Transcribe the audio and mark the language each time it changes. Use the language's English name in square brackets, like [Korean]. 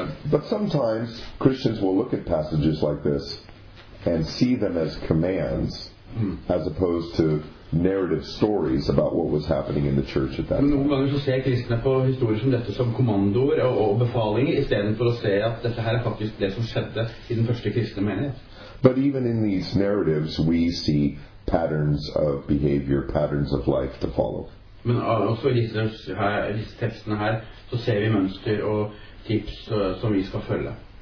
[English] But sometimes Christians will look at passages like this and see them as commands as opposed to narrative stories about what was happening in the church at that time. [Norwegian] Noen ganger så ser kristne på historier som dette som kommandoer og befalinger I stedet for å se at dette her faktisk det som skjedde I den første kristne menighet. [English] But even in these narratives we see patterns of behavior, patterns of life to follow. [Norwegian] Men også I disse tekstene her så ser vi mønster og tips som vi skal følge.